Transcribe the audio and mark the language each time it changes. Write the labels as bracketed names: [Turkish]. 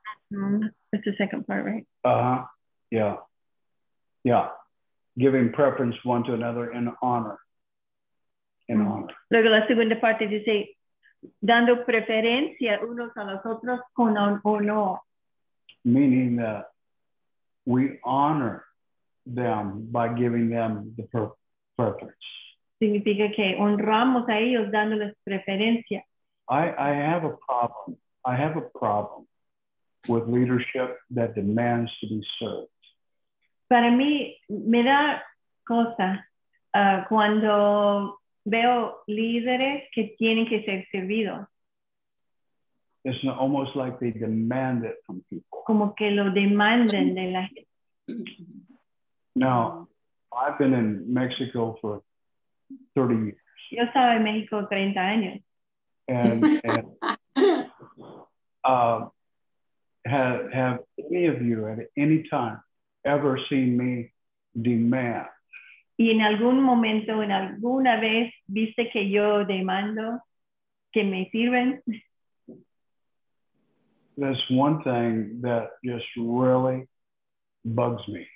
[English] That's the second part, right? Yeah. Giving preference one to another in honor. In honor. [Spanish] Luego la segunda parte dice, dando preferencia unos a los otros con honor. [English] Meaning that we honor them by giving them the preference. [Spanish] Significa que honramos a ellos dándoles preferencia. [English] I have a problem with leadership that demands to be served. [Spanish] Para mí me da cosa cuando veo líderes que tienen que ser servidos. [English] It's almost like they demand it from people. [Spanish] Como que lo demanden de la gente. [English] Now, I've been in Mexico for 30 years. [Spanish] Yo estaba en México 30 años. [English] And have any of you at any time ever seen me demand? [Spanish] ¿Y en algún momento, en alguna vez, viste que yo demando que me sirven? [English] That's one thing that just really bugs me.